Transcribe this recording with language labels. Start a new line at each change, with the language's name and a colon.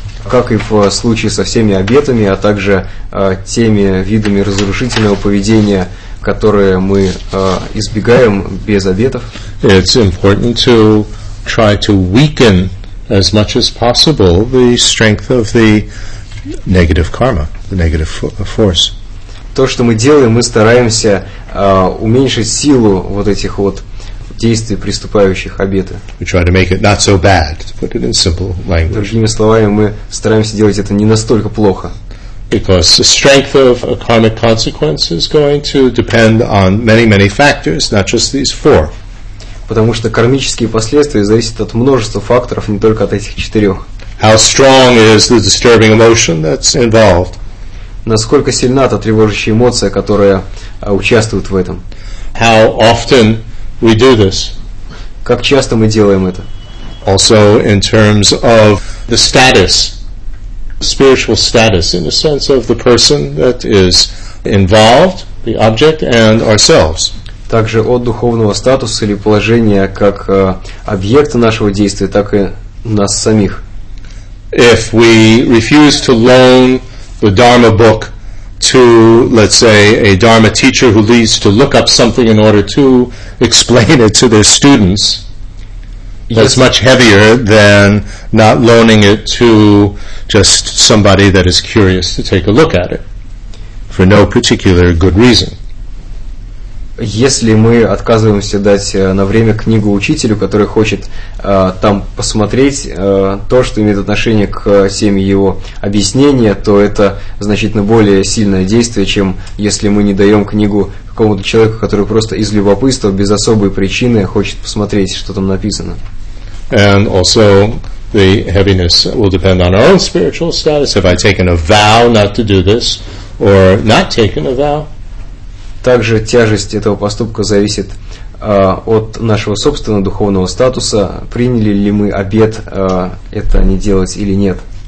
Russian: как и в случае со всеми обетами, а также теми видами разрушительного поведения, которые мы избегаем без обетов.
English: It's important to try to weaken as much as possible the strength of the negative karma, the negative force.
Russian: То, что мы делаем, мы стараемся уменьшить силу вот этих вот действий приступающих обеты.
English: We try to make it not so bad, to put it in simple language.
Russian: Другими словами, мы стараемся делать это не настолько плохо.
English: Because the strength of a karmic consequence is going to depend on many, many factors, not just these four.
Russian: Потому что кармические последствия зависят от множества факторов, не только от этих четырех.
English: How strong is the disturbing emotion that's involved?
Russian: Насколько сильна та тревожащая эмоция, которая участвует в этом?
English: How often we do this?
Russian: Как часто мы делаем это?
English: Also in terms of the status, spiritual status, in the sense of the person that is involved, the object, and ourselves.
Russian: Также от духовного статуса или положения как объекта нашего действия, так и нас самих.
English: If we refuse to loan the Dharma book to, let's say, a Dharma teacher who needs to look up something in order to explain it to their students, that's much heavier than not loaning it to just somebody that is curious to take a look at it. for no particular good reason.
Russian: Если мы отказываемся дать на время книгу учителю, который хочет там посмотреть то, что имеет отношение к теме его объяснения, то это значительно более сильное действие, чем если мы не даем книгу какому-то человеку, который просто из любопытства, без особой причины, хочет посмотреть, что там написано.
English: And also the heaviness will depend on our own spiritual status. Have I taken a vow not to do this or not taken a vow?
Russian: Также тяжесть этого поступка зависит от нашего собственного духовного статуса, приняли ли мы обет это не делать или нет.